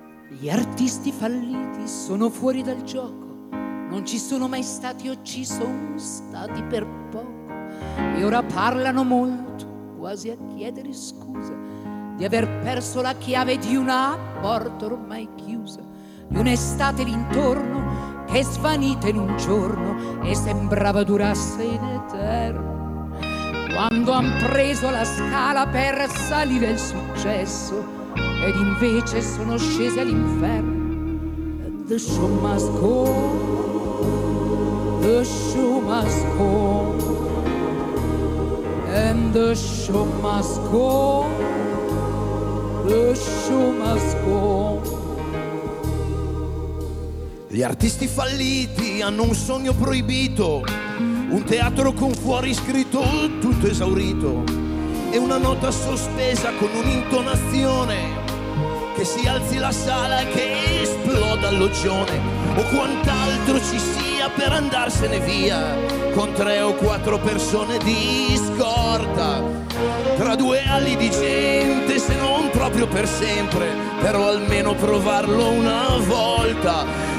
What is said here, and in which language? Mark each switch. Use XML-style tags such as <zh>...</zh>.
<it>Gli artisti falliti sono fuori dal gioco, non ci sono mai stati o ci sono stati per poco, e ora parlano molto, quasi a chiedere scusa di aver perso la chiave di una porta ormai chiusa, di un'estate l'intorno che è svanita in un giorno e sembrava durasse in eterno. Quando han preso la scala per salire il successo ed invece sono scesi all'inferno.</it> <en>The show must go, the show must go, and the show must go, the show must go.</en> <it>Gli artisti falliti hanno un sogno proibito, un teatro con fuori scritto tutto esaurito e una nota sospesa con un'intonazione che si alzi la sala e che esploda l'occione, o quant'altro ci sia per andarsene via con tre o quattro persone di scorta, tra due ali di gente, se non proprio per sempre, però almeno provarlo una volta.</it>